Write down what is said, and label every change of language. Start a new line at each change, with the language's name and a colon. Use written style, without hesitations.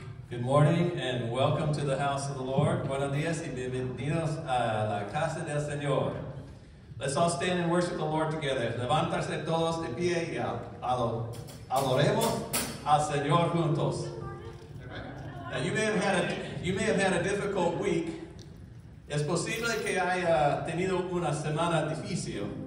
English: Good morning and welcome to the house of the Lord.
Spanish: Buenos dias y bienvenidos a la casa del Señor.
English: Let's all stand and worship the Lord together.
Spanish: Levantarse todos de pie y adoremos al Señor juntos.
English: Now you may have had a difficult week.
Spanish: Es posible que haya tenido una semana difícil.